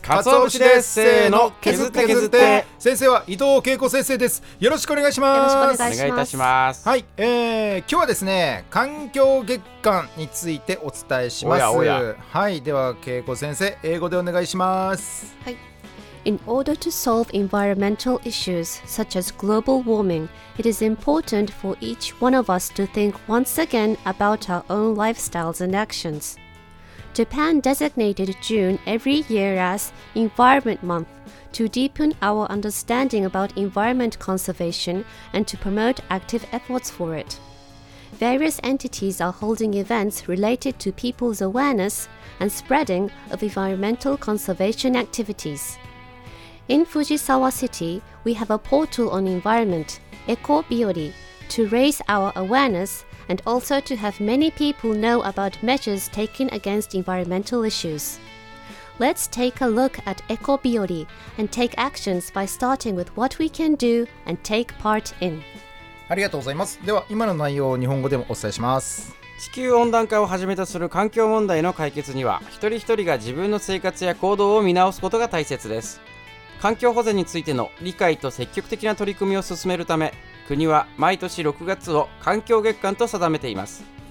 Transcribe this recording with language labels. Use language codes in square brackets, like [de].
[ja] カツオ節です。せーの、削って削って。先生は伊藤恵子先生です。よろしくお願いします。よろしくお願いいたします。はい、今日はですね、環境月間についてお伝えします。おやおや。はい、では恵子先生、英語でお願いします。はい。 [en] In order to solve environmental issues such as global warming, it is important for each one of us to think once again about our own lifestyles and actions. Japan designated June every year as Environment Month to deepen our understanding about environment conservation and to promote active efforts for it. Various entities are holding events related to people's awareness and spreading of environmental conservation activities. In Fujisawa City, we have a portal on environment, Eko Biori, to raise our awareness and also to have many people know about measures taken against environmental issues. Let's take a look at Eko Biori and take actions by starting with what we can do and take part in. [ja] ありがとうございます。では今の内容を日本語でもお伝えします。地球温暖化をはじめとする環境問題の解決には、一人一人が自分の生活や行動を見直すことが大切です。環境保全についての理解と積極的な取り組みを進めるため、国は毎年6月を環境月間と定めています。